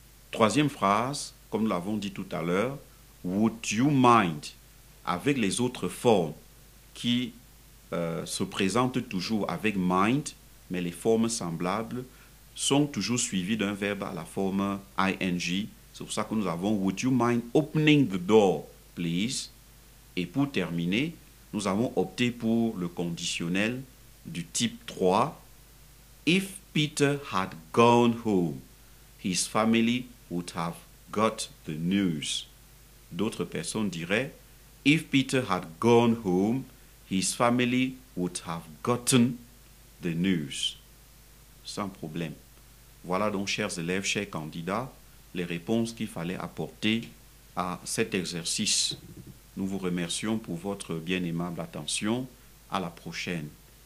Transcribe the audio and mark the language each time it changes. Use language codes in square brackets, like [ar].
[fr] Troisième phrase, comme nous l'avons dit tout à l'heure, would you mind, avec les autres formes qui se présentent toujours avec mind, mais les formes semblables sont toujours suivies d'un verbe à la forme ing, C'est pour ça que nous avons [en] « Would you mind opening the door, please ?» [fr] Et pour terminer, nous avons opté pour le conditionnel du type 3. [en] « If Peter had gone home, his family would have got the news. » [fr] D'autres personnes diraient [en] « If Peter had gone home, his family would have gotten the news. » [fr] Sans problème. Voilà donc, chers élèves, chers candidats, les réponses qu'il fallait apporter à cet exercice. Nous vous remercions pour votre bien aimable attention. À la prochaine.